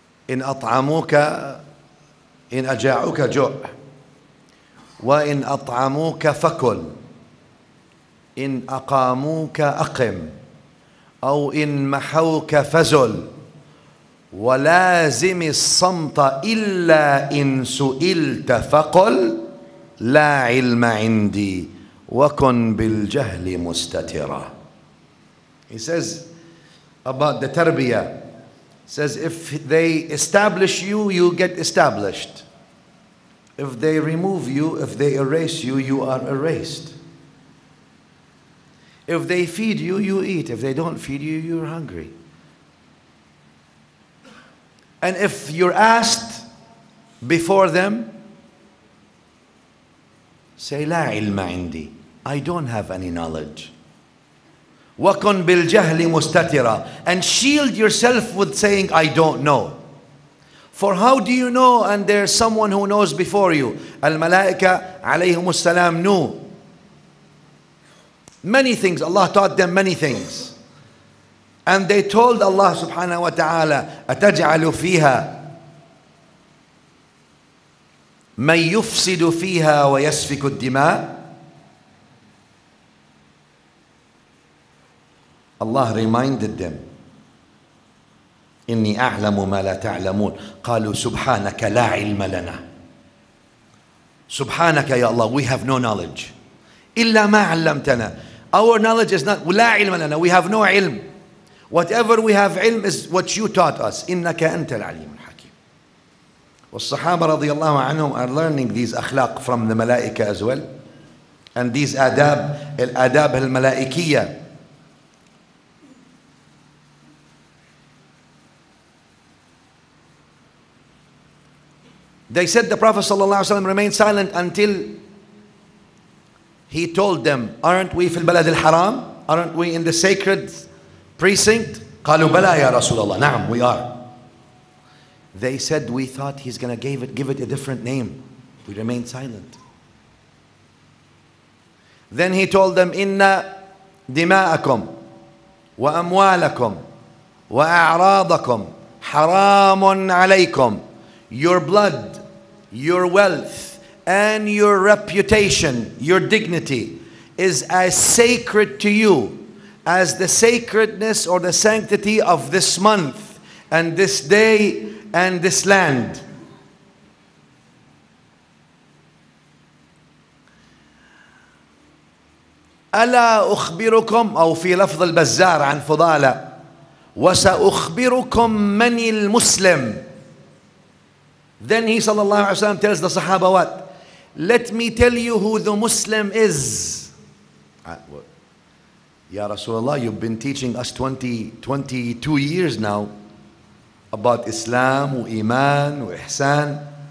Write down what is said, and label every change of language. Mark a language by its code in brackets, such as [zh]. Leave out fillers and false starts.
[ar] إن أطعموك إن أجاعوك جوع, وإن أطعموك فكل, إن أقاموك أقم, أو إن محوك فزل, ولازم الصمت إلا إن سئلت فقل لا علم عندي وكن بالجهل مستترا. [en] He says about the [ar] تربية, [en] says if they establish you, you get established. If they remove you, if they erase you, you are erased. If they feed you, you eat. If they don't feed you, you're hungry. And if you're asked before them, say, [ar] لا علم عندي. [en] I don't have any knowledge. [ar] وَكُنْ بِالْجَهْلِ مُسْتَتِرًا. [en] And shield yourself with saying, I don't know. For how do you know and there's someone who knows before you? [ar] الْمَلَائِكَ عَلَيْهُمُ السَّلَامُ [en] knew. Many things. Allah taught them many things. And they told Allah subhanahu wa ta'ala, [ar] أَتَجْعَلُ فِيهَا مَنْ يُفْسِدُ فِيهَا وَيَسْفِكُ الدِّمَاءِ. [en] Allah reminded them, [ar] إِنِّي أَعْلَمُ مَا لَا تَعْلَمُونَ. قَالُوا سُبْحَانَكَ لَا عِلْمَ لَنَا. سُبْحَانَكَ يَا اللَّهُ, [en] we have no knowledge. [ar] إِلَّا مَا عَلَّمْتَنَا. [en] Our knowledge is not, [ar] لَا عِلْمَ لَنَا, [en] we have no ilm. Whatever we have ilm is what you taught us. [ar] إِنَّكَ أَنْتَ الْعَلِيمُ الْحَكِيمُ. والصحابة رضي الله عنهم [en] are learning these [ar] أخلاق [en] from the [ar] ملائكة [en] as well. And these [ar] آداب, الآداب الملائكية. [en] They said the Prophet صلى الله عليه وسلم remained silent until he told them, aren't we [ar] في البلد الحرام? [en] Aren't we in the sacred precinct? [ar] قالوا بلى يا رسول الله. نعم, [en] we are. They said, we thought he's going to give it a different name. We remained silent. Then he told them, [ar] إن دماءكم وأموالكم وأعراضكم حرام عليكم. [en] Your blood, your wealth, and your reputation, your dignity is as sacred to you as the sacredness or the sanctity of this month and this day and this land. [ar] ألا أخبركم, أو في لفظ البزار عن فضالة, وسأخبركم من المسلم. [en] Then he sallallahu alayhi wa sallam tells the sahaba what? Let me tell you who the Muslim is. Ya Rasulullah, you've been teaching us 22 years now about Islam, Iman, Ihsan.